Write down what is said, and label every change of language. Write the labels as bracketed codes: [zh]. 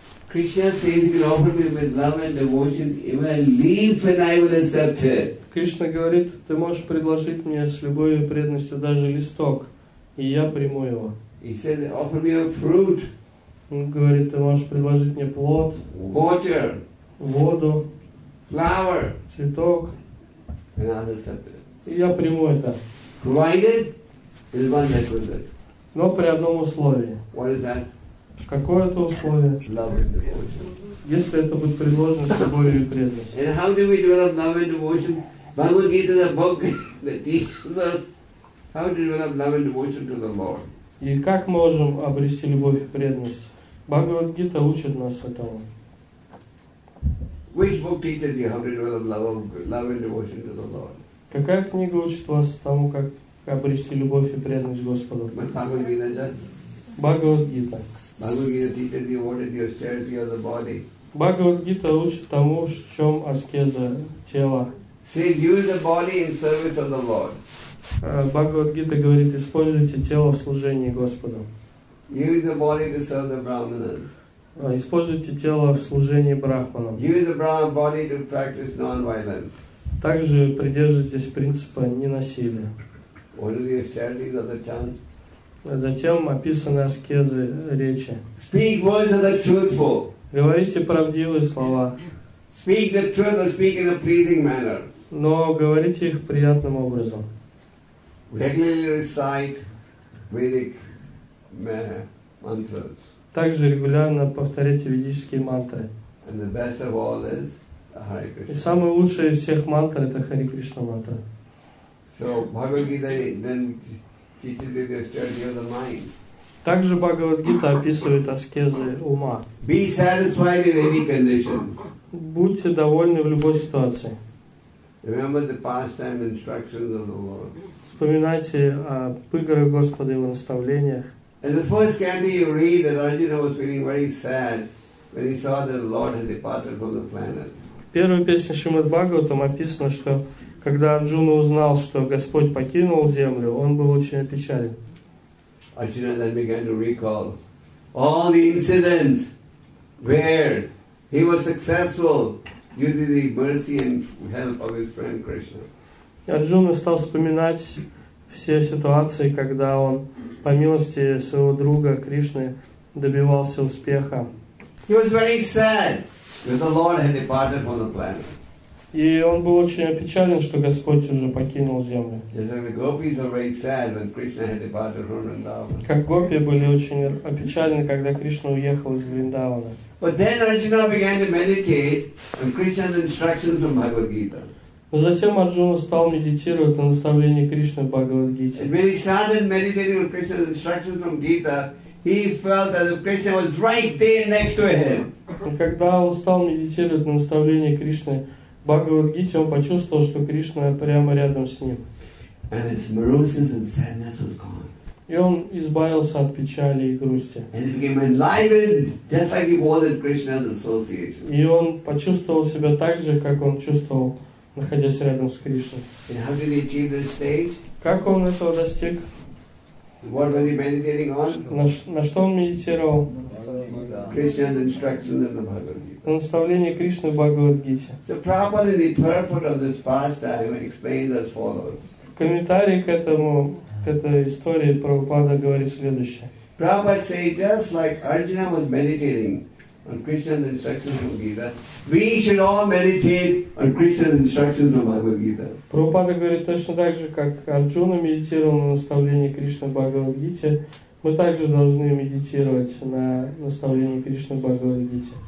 [en] Krishna says, if you offer me with love and devotion, even a leaf, and I will accept it. [ru] Кришна говорит, ты можешь предложить мне с любовью и преданностью даже листок, и я приму его. [en] He says, offer me a fruit. [ru] Он говорит, ты можешь предложить мне плод. [en] Water. [ru] Воду. [en] Flower. [ru] Цветок. [en] And I'll accept it. [ru] И я приму это. [en] Provided, is one that was it. [ru] Но при одном условии. [en] What is that? [ru] Какое это условие? [en] Love and devotion. [ru] Если это будет предложено с любовью и преданностью. [en] And how do we develop love and devotion? Bhagavad Gita is a book that teaches us how to develop love and devotion to the Lord. [ru] И как мы можем обрести любовь и преданность? Bhagavad Gita учит нас этому. [en] Which book teaches you how to develop love and devotion to the Lord? [ru] Какая книга учит вас тому, как обрести любовь и преданность Господу? [en] Bhagavad Gita. [ru] Bhagavad Gita. [en] Bhagavad-gita teaches you what is the austerity of the body. [ru] Bhagavad-gita учит тому, в чем аскеза тела. [en] Says use the body in service of the Lord. [ru] Bhagavad-gita говорит, используйте тело в служении Господу. [en] Use the body to serve the Brahmanas. [ru] Используйте тело в служении Брахманам. [en] Use the Brahman body to practice non-violence. [ru] Также придерживайтесь принципа ненасилия. [en] What are the austerities of the tongue? [ru] Затем описаны аскезы речи. [en] Speak words of the truthful. [ru] Говорите правдивые слова. [en] Speak the truth or speak in a pleasing manner. [ru] Но говорите их приятным образом. [en] Regularly recite Vedic mantras. [ru] Также регулярно повторяйте ведические мантры. [en] And the best of all is the Hare Krishna. [ru] И самое лучшее из всех мантр это Хари Кришна мантра. [en] So Bhagavad Gita then teaches you the austerity of the mind. [ru] Также Бхагавад-гита описывает аскезы ума. [en] Be satisfied in any condition. [ru] Будьте довольны в любой ситуации. [en] Remember the pastime instructions of the Lord. [ru] Вспоминайте об играх Господа и наставлениях. [en] In the first canto you read that Arjuna was feeling very sad when he saw that the Lord had departed from the planet. [ru] В первой песне Шримад-Бхагаватам описано, что когда Арджуна узнал, что Господь покинул землю, он был очень опечален. [en] Arjuna then began to recall all the incidents where he was successful due to the mercy and help of his friend Krishna. [ru] Арджуна стал вспоминать все ситуации, когда он по милости своего друга Кришны добивался успеха. [en] He was very sad that the Lord had departed from the planet. [ru] И он был очень опечален, что Господь уже покинул землю. Как гопи были очень опечалены, когда Кришна уехал из Вриндавана. Но затем Арджуна стал медитировать на наставлении Кришны в Бхагавад-гите. [en] And when he started meditating on Krishna's instructions from Gita, He felt that Krishna was right there next to him. [ru] Когда он стал медитировать на наставление Кришны Бхагавад-гите, он почувствовал, что Кришна прямо рядом с ним. [en] And his morosity and sadness was gone. [ru] И он избавился от печали и грусти. [en] And he became enlivened, just like he was in Krishna's association. [ru] И он почувствовал себя так же, как он чувствовал, находясь рядом с Кришной. [en] And how did he achieve this stage? [ru] Как он этого достиг? [en] What was he meditating on? [ru] На что он медитировал? [en] Krishna's instructions in the Bhagavad Gita. [ru] Наставление Кришны в Бхагавад-гите. [en] So Prabhupada, the purport of this pastime, explains as follows. [ru] В комментарии к этому этой истории Прабхупада говорит следующее. [en] Prabhupada says, just like Arjuna was meditating on Krishna's instructions from Gita, we should all meditate on Krishna's instructions from Bhagavad Gita. [ru] Прабхупада говорит точно так же, как Арджуна медитировал на наставление Кришны в Бхагавад-гите, мы также должны медитировать на наставление Кришны в Бхагавад-гите.